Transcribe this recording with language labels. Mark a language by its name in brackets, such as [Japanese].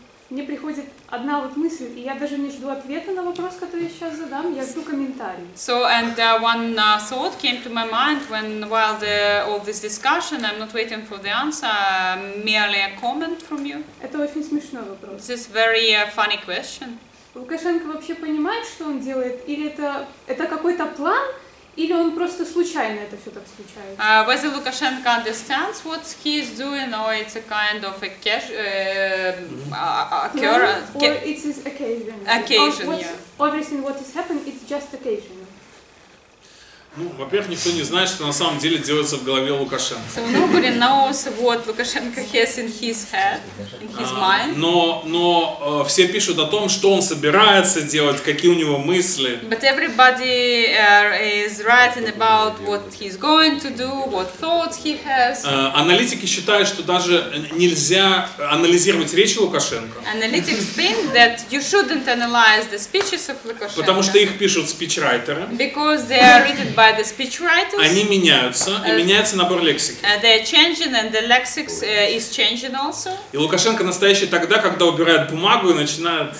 [Russian] Мне приходит одна вот мысль, и я даже не жду ответа на вопрос, который я сейчас задам, я жду комментарий. [English] So and one thought came to my mind when while the all this discussion, I'm not waiting for the answer, merely a comment from you. [Russian] Это очень смешной вопрос. [English] This is very funny question. [Russian] Лукашенко вообще понимает, что он делает, или это какой-то план? Или он просто случайно это все так случается? [English] Whether Lukashenko understands what he is doing, or it's a kind of a occurrence? Or it's his occasion. Occasion, Everything what has happened, it's just occasion. [Russian] Ну, во-первых, никто не знает, что на самом деле делается в голове Лукашенко. [English] So nobody knows what Lukashenko has in his head, in his mind. [Russian] Но все пишут о том, что он собирается делать, какие у него мысли. [English] But everybody is writing about what he's going to do, what thoughts he has. [Russian] Аналитики считают, что даже нельзя анализировать речи Лукашенко. [English] Analytics think that you shouldn't analyze the speeches of Lukashenko. [Russian] Потому что их пишут спичрайтеры. [English] Because they are written by the speechwriters. [Russian] Они меняются, и меняется набор лексики. [English] They're changing, and the lexics is changing also. [Russian] И Лукашенко настоящий тогда, когда убирает бумагу и начинает...